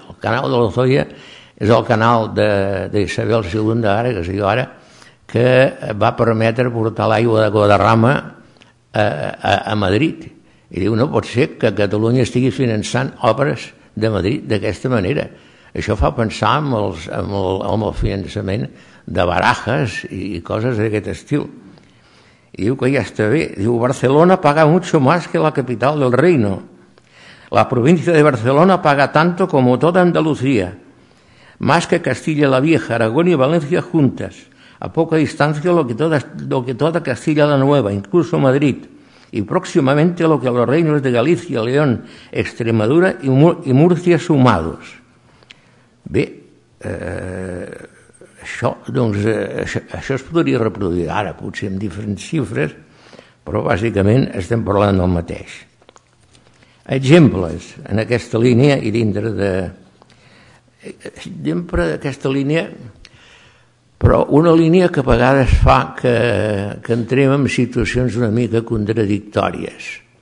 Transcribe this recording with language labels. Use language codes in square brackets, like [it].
[ca] El canal de l'Azoia és el canal d'Isabel II, ara, que es diu ara, que va permetre portar l'aigua de Guadarrama a Madrid. I diu, no pot ser que Catalunya estigui finançant obres de Madrid d'aquesta manera. Això fa pensar en el finançament de Barajas i coses d'aquest estil. I diu que ja està bé. [es] Diu, Barcelona paga mucho más que la capital del reino. La província de Barcelona paga tanto como toda Andalucía. Masca, Castilla la Vieja, Aragón y Valencia juntas. A poca distancia lo que toda Castilla la Nueva, incluso Madrid. Y próximamente lo que los reinos de Galicia, León, Extremadura y Murcia sumados. [ca] Bé, això, doncs, això es podria reproduir ara, potser amb diferents xifres, però bàsicament estem parlant del mateix. Exemples en aquesta línia i dintre de... Dintre d'aquesta línia, però una línia que a vegades fa que entrem en situacions una mica contradictòries.